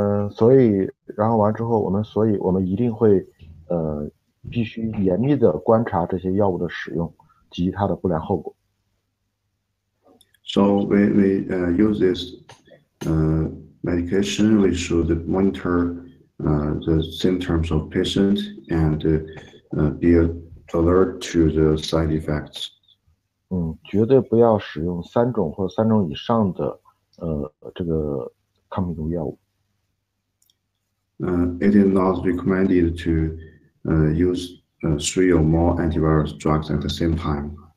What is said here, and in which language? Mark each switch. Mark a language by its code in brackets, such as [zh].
[zh] 所以然后完之后我们所以我们一定会必须严密的观察这些药物的使用及它的不良后果。 [en] So when we use this medication, we should monitor the symptoms of patient and be alert to the side effects. [zh] 绝对不要使用三种或三种以上的这个抗病毒药物。 [en] It is not recommended to use three or more antivirus drugs at the same time.